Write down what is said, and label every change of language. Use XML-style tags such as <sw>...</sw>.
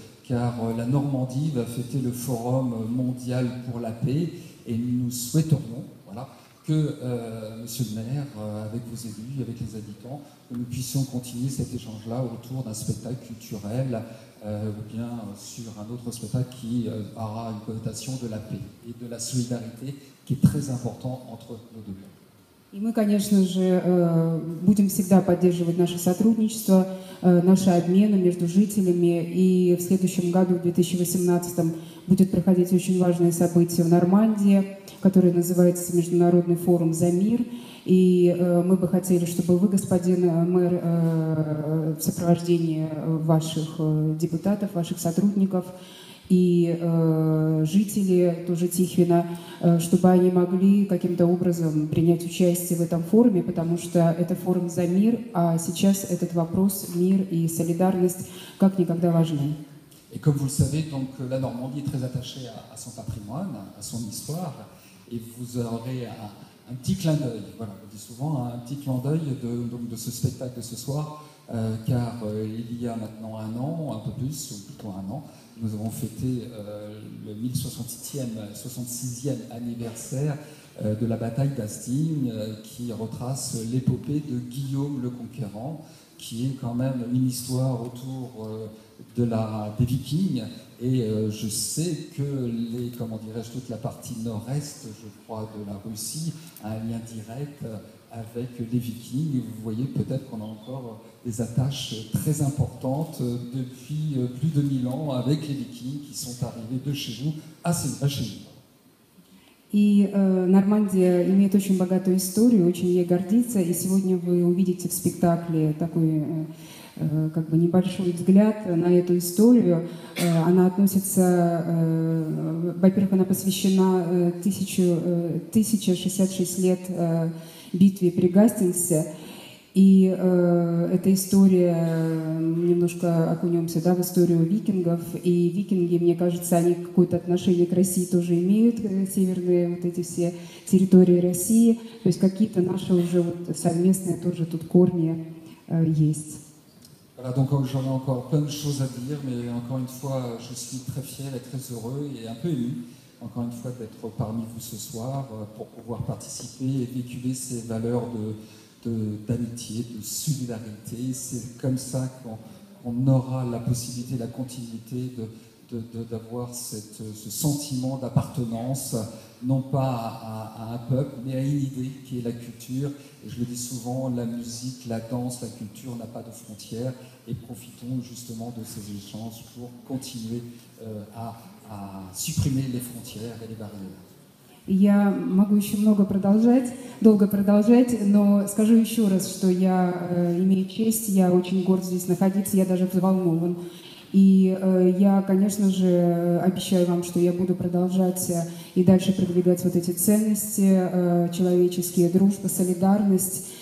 <fr>car la Normandie va fêter le Forum mondial pour la paix et nous souhaiterions voilà, que Monsieur le maire, avec vos élus, avec les habitants, que nous puissions continuer cet échange-là autour d'un spectacle culturel ou bien sur un autre spectacle qui aura une connotation de la paix et de la solidarité qui est très important entre nos deux pays.</fr> <ru>И мы, конечно же, будем всегда поддерживать наше сотрудничество, наши обмены между жителями. И в следующем году, в 2018, будет проходить очень важное событие в Нормандии, которое называется Международный форум «За мир». И мы бы хотели, чтобы вы, господин мэр, в сопровождении ваших депутатов, ваших сотрудников и жители тоже Тихвина, чтобы они могли каким-то образом принять участие в этом форуме, потому что это форум «За мир», а сейчас этот вопрос «Мир и солидарность» как никогда важны. И, как вы знаете,</ru> <fr>la Normandie est très attachée à son patrimoine, à son histoire, et vous aurez un petit clin d'œil, voilà, on dit souvent un petit clin d'œil de ce spectacle de ce soir, car il y a maintenant un an, un peu plus, ou plutôt un an, nous avons fêté le 1066e anniversaire de la bataille d'Hastings, qui retrace l'épopée de Guillaume le Conquérant, qui est quand même une histoire autour des Vikings. Et je sais que toute la partie nord-est, je crois, de la Russie a un lien direct avec les Vikings. Vous voyez peut-être qu'on a encore des attaches très importantes depuis plus de 1000 ans avec les Vikings qui sont arrivés de chez vous à chez nous.</fr> <ru>И Нормандия имеет очень богатую историю, очень ей гордится. И сегодня вы увидите в спектакле такой как бы небольшой взгляд на эту историю. Она относится, во-первых, она посвящена 1066 лет битве при Гастингсе. И эта история, немножко окунемся, да, в историю викингов. И викинги, мне кажется, они какое-то отношение к России тоже имеют, северные вот эти все территории России. То есть какие-то наши уже вот совместные тоже тут корни есть.</ru> <fr>Voilà, donc j'en ai encore plein de choses à dire, mais encore une fois, je suis très fier et très heureux et un peu ému, encore une fois, d'être parmi vous ce soir pour pouvoir participer et véhiculer ces valeurs d'amitié, de solidarité. C'est comme ça qu'on aura la possibilité, la continuité d'avoir ce sentiment d'appartenance, non pas à un peuple, mais à une idée qui est la culture. Et je le dis souvent, la musique, la danse, la culture n'a pas de frontières. Et profitons justement de ces échanges pour continuer à supprimer les frontières et les barrières.</fr> <ru>Я могу еще долго продолжать, но скажу еще раз, что я имею честь, я очень горд здесь находиться, я даже взволнован. И я, конечно же, обещаю вам, что я буду продолжать и дальше продвигать вот эти ценности человеческие, дружба, солидарность.</ru>